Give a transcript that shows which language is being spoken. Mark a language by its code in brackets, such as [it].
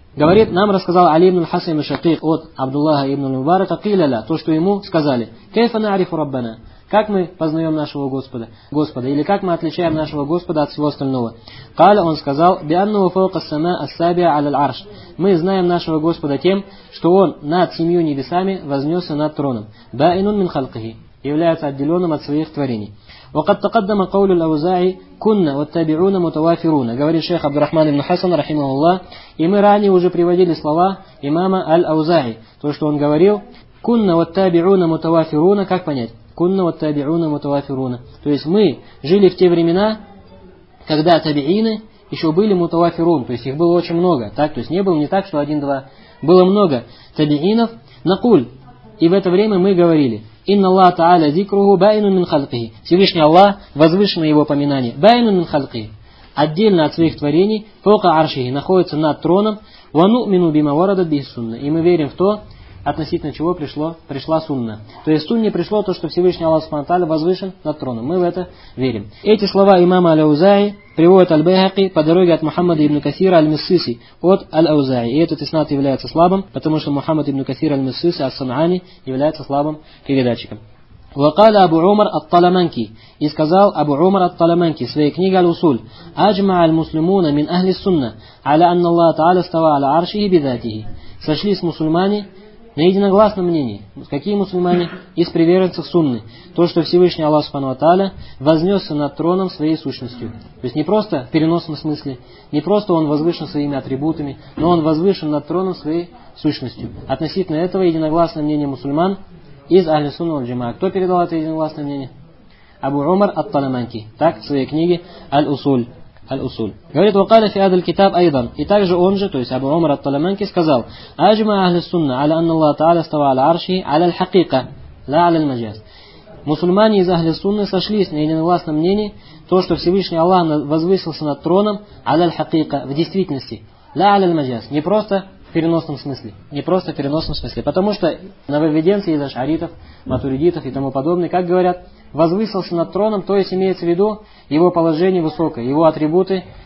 [ru] Говорит, нам рассказал Али ибн Хасан ибн Шакик от Абдуллаха ибн Мубарака, [ar] «килля-ля», [ru] то, что ему сказали, [ar] «кайфа на'рифу Раббана», [ru] как мы познаем нашего Господа, или как мы отличаем нашего Господа от всего остального. «Каля», он сказал, [ar] «бианну фаука ас-сама ас-сабиа аль-арш», [ru] мы знаем нашего Господа тем, что он над семью небесами вознесся над троном, [ar] «баинун мин халкихи», [ru] является отделенным от своих творений. [ar] وقد تقدم قول الأوزاعي كنا والتابعون متوافرون. [ru] Говорит шейх Абдурахман ибн Хасан, рахима Аллах. И мы ранее уже приводили слова имама Аль-Аузаи, то что он говорил: [ar] كنا والتابعون متوافرون. [ru] Как понять? [ar] كنا والتابعون متوافرون. [ru] То есть мы жили в те времена, когда табиины еще были мутавафирун, то есть их было очень много. Так, то есть не было не так, что один-два, было много табиинов. [ar] Накуль. [ru] И в это время мы говорили. [ar] «Инна Аллаха Та'аля зикруху байнун мин халкихи». [ru] Всевышний Аллах, возвышенное его поминание. [ar] «Байнун мин халкихи». [ru] Отдельно от своих творений, [ar] «фока аршихи», [ru] находится над троном. [ar] «Вану мину бима варадат бихи сунна». [ru] И мы верим в то, относительно чего пришла сунна. То есть сунне пришло то, что Всевышний Аллах Субхана Та'аля возвышен над троном. Мы в это верим. Эти слова имама Аль-Аузаи приводят Аль-Байхаки по дороге от Мухаммада ибн Касира Аль-Миссиси от Аль-Аузаи. И этот иснад является слабым, потому что Мухаммад ибн Касира Аль-Миссиси Ас-Санани является слабым передатчиком. [ar] وقال أبو عمر الطلمنكي إسказал أبو عمر الطلمنكي في كنيجة الوصول أجمع المسلمون من أهل السنة على أن الله تعالى استوى على عرشه بذاته. [ru] Сошлись мусульмане на единогласном мнении. Какие мусульмане? Из приверженцев сунны. То, что Всевышний Аллах Субхану Ва-Та'аля вознесся над троном своей сущностью. То есть не просто в переносном смысле, не просто он возвышен своими атрибутами, но он возвышен над троном своей сущностью. Относительно этого единогласное мнение мусульман из Ахли Сунна Валь-Джамаа. Кто передал это единогласное мнение? Абу Умар Ат-Таламанки. Так, в своей книге «Аль-Усуль». Говорит, [ar] وقال في هذا الكتاب أيضا. [ru] И также он же, то есть Абу Умар ат-Таламанки сказал: [ar] أجمع أهل السنة على أن الله تعالى استوى على عرشه على الحقيقة لا على المجاز. [ru] Мусульмане из Ахли Сунны сошлись на единогласном мнении, то что Всевышний Аллах возвысился над троном [ar] على الحقيقة [ru] в действительности, [ar] لا على المجاز, [ru] не просто в переносном смысле, потому что нововведенцы из ашаритов, матуридитов и тому подобное, как говорят, возвысился над троном, то есть имеется в виду его положение высокое, его атрибуты